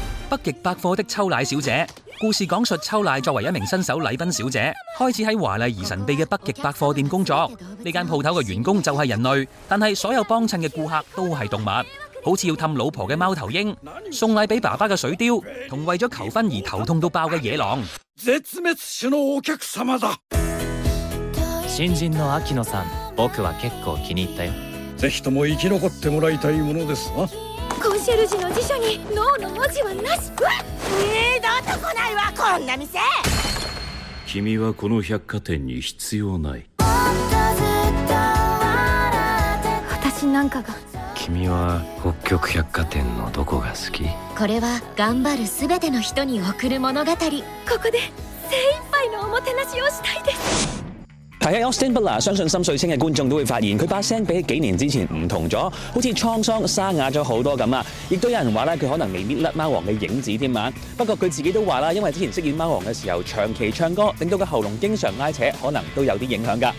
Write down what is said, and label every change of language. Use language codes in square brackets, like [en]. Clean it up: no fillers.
[yue] 北极百货的秋奶小姐，故事讲述秋奶作为一名新手礼宾小姐，开始在华丽而神秘的北极百货店工作。这间铺头的员工就是人类，但是所有帮衬的顾客都是动物，好像要哄老婆的猫头鹰，送礼给爸爸的水貂，和为了求婚而头痛到爆的野狼。 [ja] 絶滅種のお客様だ。新人の秋野さん、僕は結構気に入ったよ。ぜひとも生き残ってもらいたいものですわ。コンシェルジュの辞書にノーの文字はなし。わっ、二度と来ないわこんな店。君はこの百貨店に必要ない。私なんかが。君は北極百貨店のどこが好き？これは頑張る全ての人に贈る物語。ここで精一杯のおもてなしをしたいです。 [yue] 提起 Austin Butler， 相信心水清的观众都会发现他的声音比几年之前不同了，好像沧桑沙哑了很多。也有人说他可能未必甩猫王的影子。不过他自己都说，因为之前饰演猫王的时候长期唱歌，令到他喉咙经常拉扯，可能都有些影响。